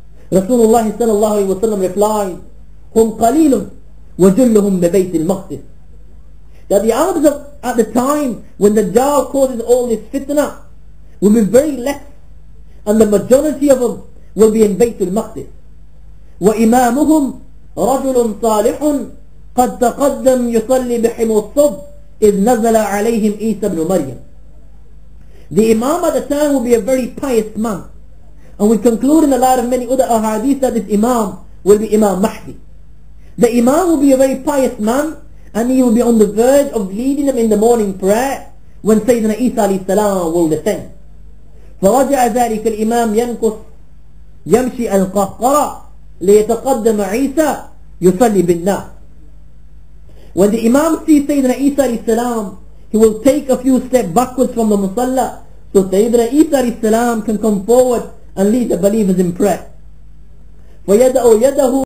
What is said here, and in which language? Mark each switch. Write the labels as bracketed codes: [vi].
[en] Rasulullah sallallahu alayhi wa sallam replied, [ar] هُمْ قَلِيلٌ وَجُلُّهُمْ بِبَيْتِ الْمَقْدِسِ. [en] That the Arabs at the time when the Dajjal causes all this fitna will be very less. and the majority of them will be in Bayt al-Maqdis. [ar] وإمامهم رجل صالح قد تقدم يصلي بحم الصبح إذ نزل عليهم عيسى بن مريم. [en] The Imam at the time will be a very pious man. And we conclude in a lot of many other ahadith that this Imam will be Imam Mahdi. The Imam will be a very pious man and he will be on the verge of leading them in the morning prayer when Sayyidina Isa alayhi salam will descend. [ar] فرجع ذلك الإمام ينكث يمشي القهقرة ليتقدم عيسى يصلي بالناس. [en] When the Imam sees Sayyidina Isa alayhi salam, he will take a few steps backwards from the musalla so Sayyidina Isa alayhi salam can come forward and lead the believers in prayer. [ar] فيدعو يده